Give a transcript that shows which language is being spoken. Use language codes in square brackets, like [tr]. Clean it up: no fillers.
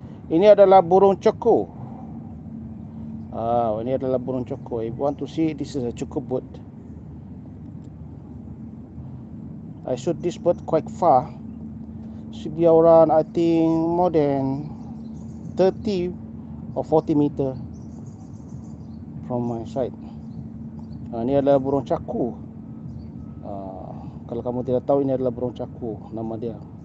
[ms] Ini adalah burung cheku. Ini adalah burung cheku. [en] If you want to see, this is a cheku bird. I shoot this bird quite far. Should be around, I think, more than 30 or 40 meter from my side. [ms] Ini adalah burung caku. Kalau kamu tidak tahu, ini adalah burung caku nama dia.